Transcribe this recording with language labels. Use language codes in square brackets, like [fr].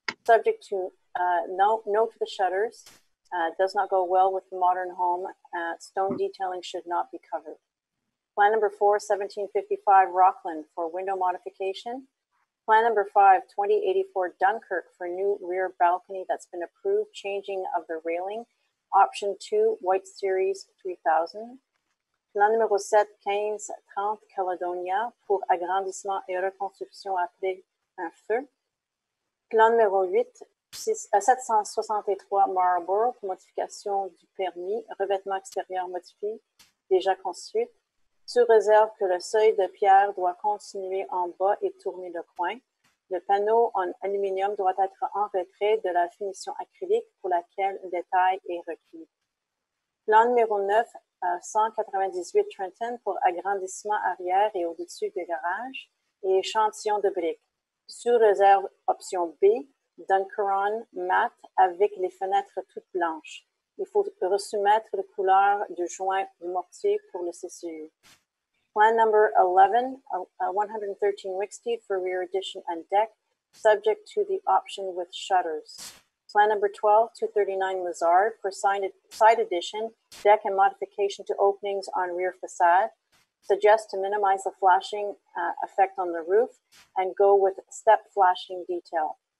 [en] Subject to no to the shutters, does not go well with the modern home, stone detailing should not be covered. Plan number 4, 1755 Rockland, for window modification. Plan number 5, 2084 Dunkirk, for new rear balcony that's been approved, changing of the railing. Option 2, White Series 3000. [fr] Plan numéro 7, 15, 30, Caledonia, pour agrandissement et reconstruction après un feu. Plan numéro 8, 763 Marlborough, pour modification du permis, revêtement extérieur modifié, déjà construit, sous réserve que le seuil de pierre doit continuer en bas et tourner le coin. Le panneau en aluminium doit être en retrait de la finition acrylique pour laquelle le détail est requis. Plan numéro 9, 198 Trenton, pour agrandissement arrière et au-dessus du garage et échantillon de briques. Sous réserve option B, Dunkeron mat avec les fenêtres toutes blanches. Il faut resoumettre la couleur du joint du mortier pour le CCU. [en] Plan number 11, 113 Wixty for rear addition and deck, subject to the option with shutters. Plan number 12, 239 Lazard, for side addition, deck and modification to openings on rear facade. Suggest to minimize the flashing effect on the roof and go with step flashing detail.